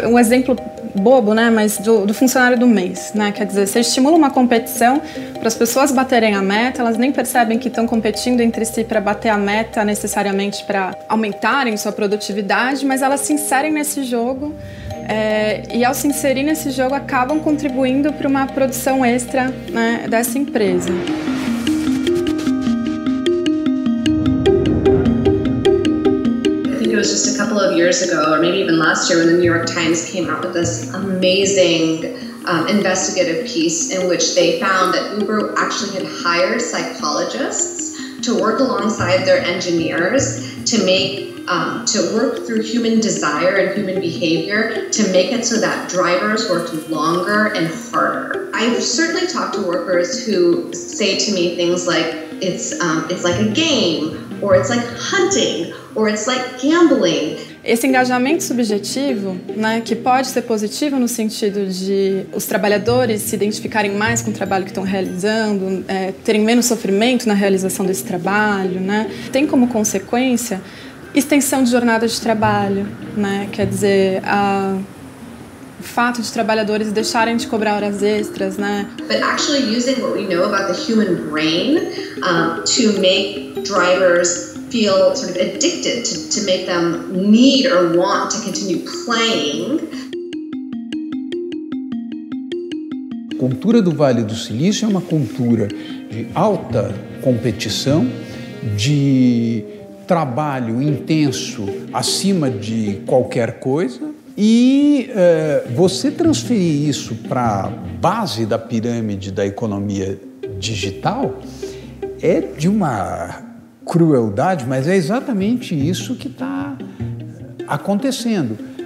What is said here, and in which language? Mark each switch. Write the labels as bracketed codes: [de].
[pt] Um exemplo bobo, né, mas do funcionário do mês, né, quer dizer, você estimula uma competição para as pessoas baterem a meta, elas nem percebem que estão competindo entre si para bater a meta necessariamente para aumentarem sua produtividade, mas elas se inserem nesse jogo. E ao se inserir nesse jogo, acabam contribuindo para uma produção extra, né, dessa empresa. [en] I think it was just a couple of years ago, or maybe even last year, when the New York Times came out with this amazing investigative piece in which they found that Uber actually had hired psychologists to work alongside their engineers to make to work through human desire and human behavior to make it so that drivers worked longer and harder. I've certainly talked to workers who say to me things like, it's like a game, or it's like hunting, or it's like gambling. [pt] Esse engajamento subjetivo, né, que pode ser positivo no sentido de os trabalhadores se identificarem mais com o trabalho que estão realizando, terem menos sofrimento na realização desse trabalho, né, tem como consequência extensão de jornada de trabalho, né? Quer dizer, o fato de trabalhadores deixarem de cobrar horas extras, né? [en] But actually using what we know about the human brain to make drivers feel sort of addicted, to make them need or want to continue playing. [pt] A cultura do Vale do Silício é uma cultura de alta competição, de trabalho intenso acima de qualquer coisa, e você transferir isso para a base da pirâmide da economia digital é de uma crueldade, mas é exatamente isso que está acontecendo.